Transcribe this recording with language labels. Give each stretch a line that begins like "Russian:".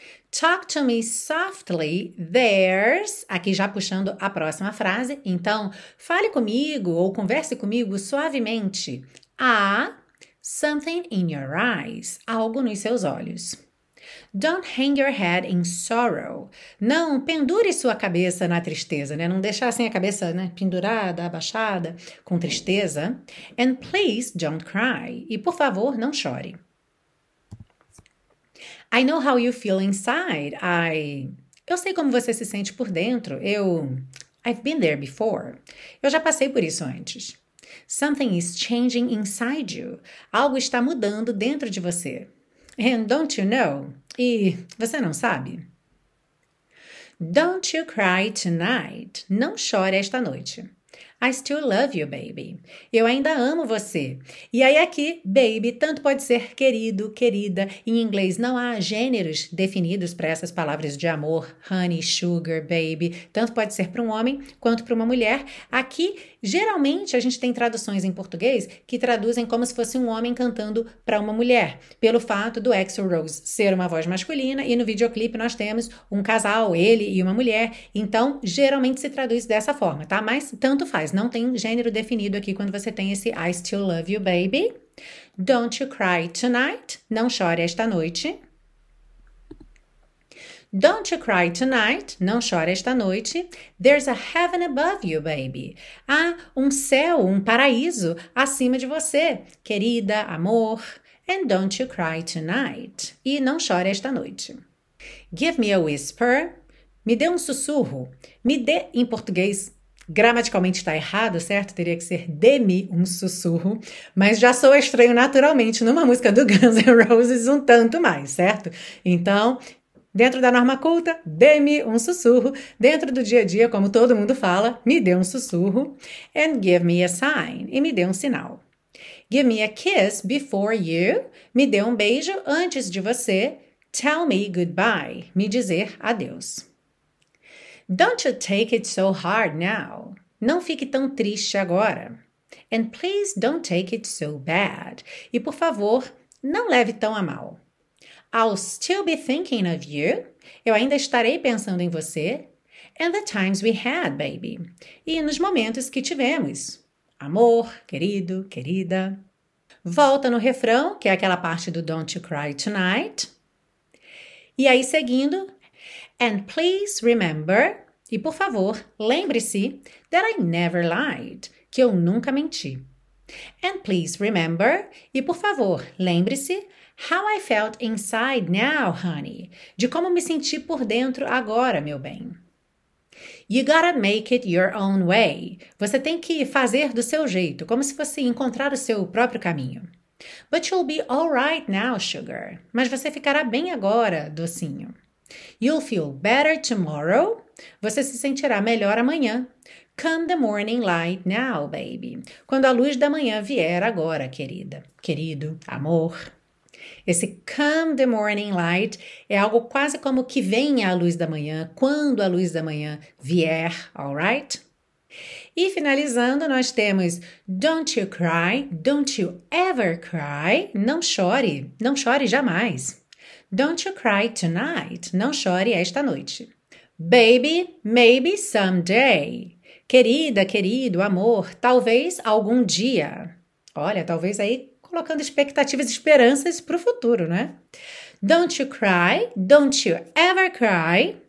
English: Talk to me softly, there's.
Portuguese: Aqui já puxando a próxima frase. Então, fale comigo ou converse comigo suavemente. Há
English: something in your eyes.
Portuguese: Algo nos seus olhos.
English: Don't hang your head in sorrow.
Portuguese: Não pendure sua cabeça na tristeza, né? Não deixar assim a cabeça, né, pendurada, abaixada, com tristeza.
English: And please don't cry.
Portuguese: E por favor, não chore.
English: I know how you feel inside.
Portuguese: Eu sei como você se sente por dentro.
English: I've been there before.
Portuguese: Eu já passei por isso antes.
English: Something is changing inside you.
Portuguese: Algo está mudando dentro de você.
English: And don't you know?
Portuguese: E você não sabe?
English: Don't you cry tonight.
Portuguese: Não chore esta noite.
English: I still love you, baby.
Portuguese: Eu ainda amo você. E aí aqui, baby, tanto pode ser querido, querida. Em inglês não há gêneros definidos para essas palavras de amor, honey, sugar, baby. Tanto pode ser para um homem quanto para uma mulher. Aqui, geralmente, a gente tem traduções em português que traduzem como se fosse um homem cantando para uma mulher, pelo fato do Axl Rose ser uma voz masculina e no videoclipe nós temos um casal, ele e uma mulher. Então, geralmente se traduz dessa forma, tá? Mas tanto faz. Não tem gênero definido aqui quando você tem esse
English: I still love you, baby. Don't you cry tonight.
Portuguese: Não chore esta noite.
English: Don't you cry tonight.
Portuguese: Não chore esta noite.
English: There's a heaven above you, baby.
Portuguese: Há um céu, um paraíso acima de você, querida, amor.
English: And don't you cry tonight.
Portuguese: E não chore esta noite.
English: Give me a whisper.
Portuguese: Me dê um sussurro. Me dê, em português, gramaticalmente está errado, certo? Teria que ser dê-me um sussurro, mas já soa estranho naturalmente numa música do Guns N' Roses um tanto mais, certo? Então, dentro da norma culta, dê-me um sussurro. Dentro do dia a dia, como todo mundo fala, me dê um sussurro.
English: And give me a sign.
Portuguese: E me dê um sinal.
English: Give me a kiss before you.
Portuguese: Me dê um beijo antes de você.
English: Tell me goodbye.
Portuguese: Me dizer adeus.
English: Don't you take it so hard now.
Portuguese: Não fique tão triste agora.
English: And please don't take it so bad.
Portuguese: E por favor, não leve tão a mal.
English: I'll still be thinking of you.
Portuguese: Eu ainda estarei pensando em você.
English: And the times we had, baby.
Portuguese: E nos momentos que tivemos. Amor, querido, querida. Volta no refrão, que é aquela parte do Don't You Cry Tonight. E aí seguindo.
English: And please remember.
Portuguese: E por favor, lembre-se.
English: That I never lied.
Portuguese: Que eu nunca menti.
English: And please remember.
Portuguese: E por favor, lembre-se.
English: How I felt inside now, honey.
Portuguese: De como me senti por dentro agora, meu bem.
English: You gotta make it your own way.
Portuguese: Você tem que fazer do seu jeito, como se fosse encontrar o seu próprio caminho.
English: But you'll be all right now, sugar.
Portuguese: Mas você ficará bem agora, docinho.
English: You'll feel better tomorrow.
Portuguese: Você se sentirá melhor amanhã.
English: Come the morning light now, baby.
Portuguese: Quando a luz da manhã vier agora, querida. Querido, amor. Esse
English: come the morning light
Portuguese: é algo quase como que venha a luz da manhã, quando a luz da manhã vier, alright? E finalizando, nós temos
English: don't you cry, don't you ever cry,
Portuguese: não chore jamais.
English: Don't you cry tonight,
Portuguese: não chore esta noite.
English: Baby, maybe someday.
Portuguese: Querida, querido, amor, talvez algum dia. Olha, talvez aí colocando expectativas e esperanças para o futuro, né?
English: Don't you cry, don't you ever cry.